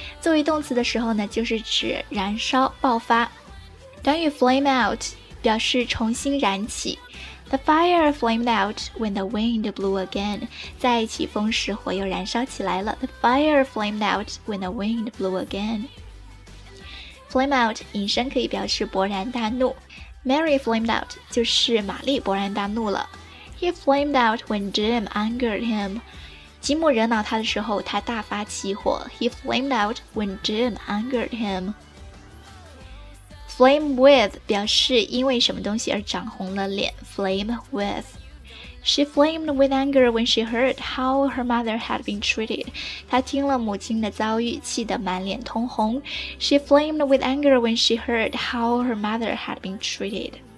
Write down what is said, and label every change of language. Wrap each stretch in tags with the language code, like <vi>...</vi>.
<zh>作为动词的时候呢，就是指燃烧、爆发。短语 flame out 表示重新燃起。</zh> <en>The fire flamed out when the wind blew again.</en> <zh>在起风时，火又燃烧起来了。</zh> <en>The fire flamed out when the wind blew again.</en> <zh>Flame out 引申可以表示勃然大怒。</zh> <en>Mary flamed out</en> <zh>就是玛丽勃然大怒了。</zh> <en>He flamed out when Jim angered him.</en> <zh>吉姆惹恼他的时候，他大发起火。</zh> <en>He flamed out when Jim angered him. Flame with</en> <zh>表示因为什么东西而涨红了脸。</zh> <en>Flame with. She flamed with anger when she heard how her mother had been treated.</en> <zh>她听了母亲的遭遇，气得满脸通红。</zh> <en>She flamed with anger when she heard how her mother had been treated.</en>